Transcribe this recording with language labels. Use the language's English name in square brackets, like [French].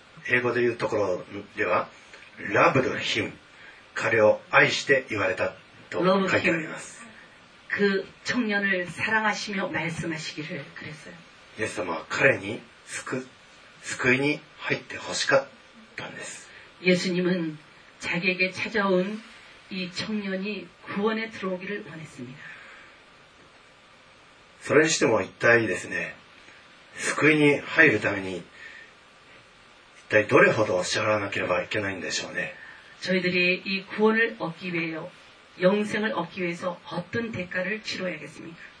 [Japanese] 英語で言うところでは [English] loved him、 [Japanese] 彼を愛して言われたと書いてあります。 [Korean] 그청년을사랑하시며말씀하시기를그랬어요。 [Japanese] 예수様は彼に救いに入ってほしかったんです。 [Korean] 예수님은자기에게찾아온 이청년이구원에들어오기를원했습니다 [Japanese] それにしても一体ですね救いに入るために一体どれほど支払わなければいけないんでしょうね [Korean] 저희들이이구원을얻기위해요영생을얻기위해서어떤대가를치러야겠습니까